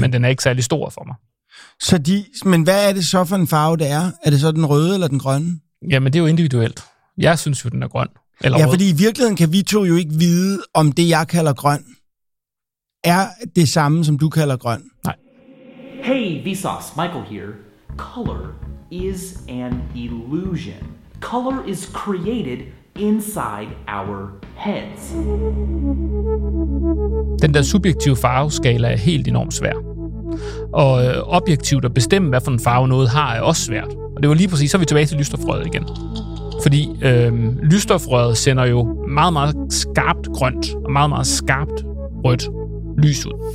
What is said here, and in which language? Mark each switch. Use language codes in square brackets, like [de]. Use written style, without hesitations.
[da] Men den er ikke særlig stor for mig. Så de, men hvad er det så for en farve, det er? Er det så den røde eller den grønne? Jamen, det er jo individuelt. Jeg synes jo, den er grøn. Eller ja, rød. Fordi i virkeligheden kan vi to jo ikke vide, om det, jeg kalder grøn, er det samme, som du kalder grøn. Nej. [en] Hey, Vsauce, Michael here. Color is an illusion. Color is created inside our heads. [da] Den der subjektive farveskala er helt enormt svær. Og objektivt at bestemme, hvad for en farve noget har, er også svært. Og det var lige præcis, så er vi tilbage til lysstofrøret igen. Fordi lysstofrøret sender jo meget, meget skarpt grønt og meget, meget skarpt rødt lys ud.